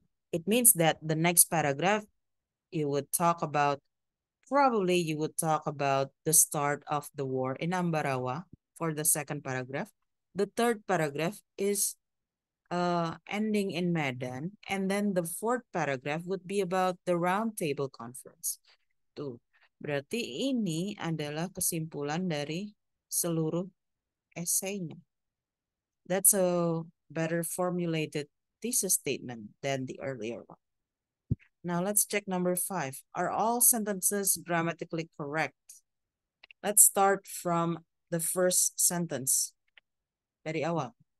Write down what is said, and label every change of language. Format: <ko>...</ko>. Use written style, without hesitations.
<en>It means that the next paragraph, you would talk about, probably you would talk about the start of the war in Ambarawa for the second paragraph. The third paragraph is ending in Medan. And then the fourth paragraph would be about the roundtable conference.</en> <id>Tuh, berarti ini adalah kesimpulan dari seluruh esainya.</id> <en>That's a better formulated thesis statement than the earlier one. Now let's check number five. Are all sentences grammatically correct? Let's start from the first sentence.</en> <id>Dari awal.</id>